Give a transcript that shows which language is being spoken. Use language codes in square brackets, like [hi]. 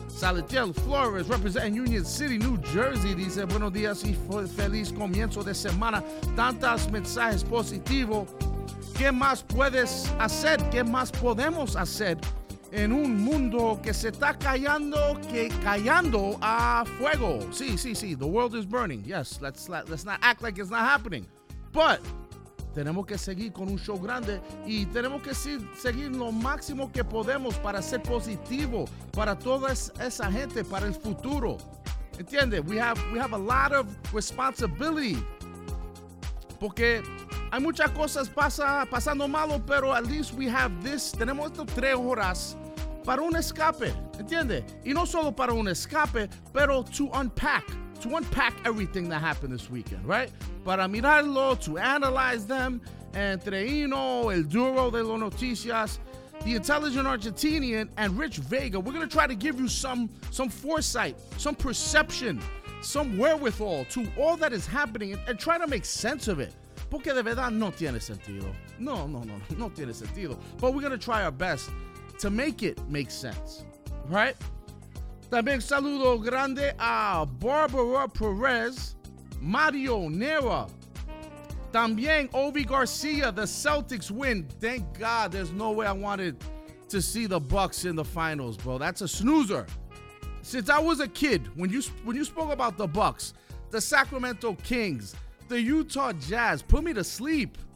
[es] Salatiel Flores, [en] representing [es] Union City, New Jersey, dice, buenos días y feliz comienzo de semana. Tantos mensajes positivos. ¿Qué más puedes hacer? ¿Qué más podemos hacer en un mundo que se está callando a fuego? [en] Sí. The world is burning. Yes, let's not act like it's not happening. [es] But tenemos que seguir con un show grande y tenemos que seguir lo máximo que podemos para ser positivo para toda esa gente, para el futuro. ¿Entiendes? [en] We have a lot of responsibility. [es] Porque hay muchas cosas pasando malo, pero [en] at least we have this. [es] Tenemos estos 3 horas para un escape, ¿entiendes? Y no solo para un escape, pero [en] to unpack everything that happened this weekend, right? [es] Para mirarlo, [en] to analyze them, [es] entre Hino, el duro de las noticias, [en] the intelligent Argentinian, and [es] Rich Vega. [en] We're going to try to give you some foresight, some perception, some wherewithal to all that is happening and try to make sense of it. [es] Porque de verdad no tiene sentido. No tiene sentido. [en] But we're going to try our best to make it make sense, right? [es] También saludo grande a Barbara Perez, Mario Nera. [en] También Ovi Garcia, the Celtics win. Thank God, there's no way I wanted to see the Bucks in the finals, bro. That's a snoozer. Since I was a kid, when you spoke about the Bucks, the Sacramento Kings, the Utah Jazz, put me to sleep.